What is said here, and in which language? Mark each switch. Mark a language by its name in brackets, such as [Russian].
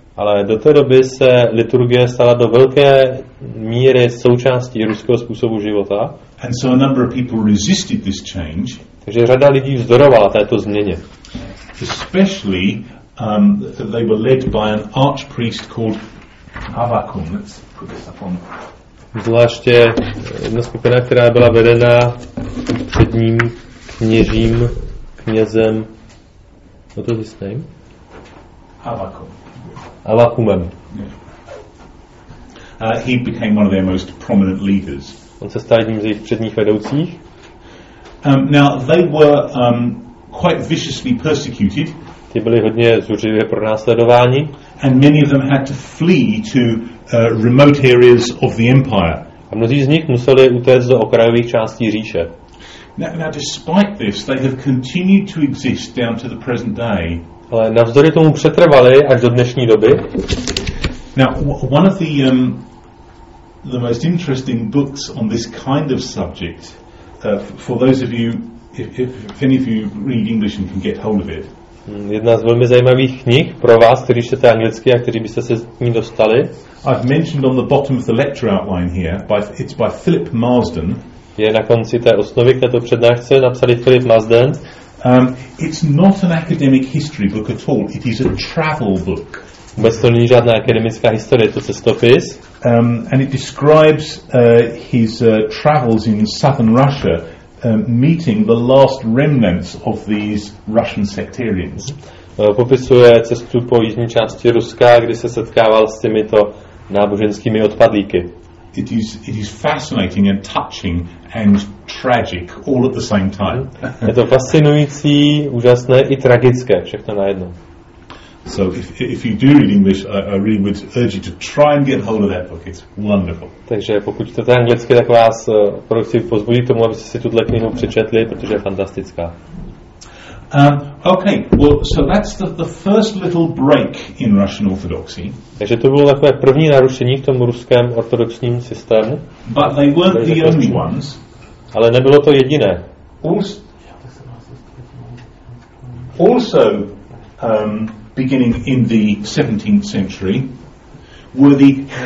[Czech] Ale do té doby se liturgie stala do velké míry součástí ruského způsobu života. [English] And so a number of people resisted this change. [Czech] Takže řada lidí vzdorovala této změně. [English] Especially they were led by an archpriest called Avakum. Let's put this up on. [Czech] Zvláště jedna skupina, která byla vedena předním kněžím, knězem. [English] What is his name? Avakumem. Yeah. He became one of their most prominent leaders. [Czech] On se stal jedním z jejich předních vedoucích. [English] Now they were quite viciously persecuted. [Czech] Ty byli hodně zuřivě pronásledováni. [English] And many of them had to flee to remote areas of the empire. [Czech] A mnozí z nich museli utéct do okrajových částí říše. [English] Now despite this, they have continued to exist down to the present day. [Czech] Ale navzdory tomu přetrvali až do dnešní doby. [English] Now, one of the most interesting books on this kind of subject, for those of you if any of you read English and can get hold of it. [Czech] Jedna z velmi zajímavých knih pro vás, kteří čtete anglicky a kteří byste se s ní dostali. [English] I've mentioned on the bottom of the lecture outline here, it's by Philip Marsden. [Czech] Je na konci té osnovy, které to přednášce napsali Philip Marsden. [English] It's not an academic history book at all. It is a travel book. [Czech] Vůbec to není žádná akademická historie, to cestopis. [English] And it describes his travels in southern Russia, meeting the last remnants of these Russian sectarians. [Czech] Popisuje cestu po jižní části Ruska, kdy se setkával s těmito náboženskými odpadlíky. [English] It is fascinating and touching and tragic all at the same time. [Czech] Je to fascinující, úžasné i tragické, všechno najednou. [English] So if you do read English, I really would urge you to try and get hold of that book. It's wonderful. [Czech] Takže pokud čtete anglicky, tak vás prosím pozbudit tomu, abyste si tuto knihu přečetli, protože je fantastická. [English] Okay, well, so that's the first little break in Russian Orthodoxy. [Czech] Takže to bylo takové první narušení v tom ruském ortodoxním systému. [English] But they weren't the only ones. [Czech] Ale nebylo to jediné. [English] Also, beginning in the 17th century, were the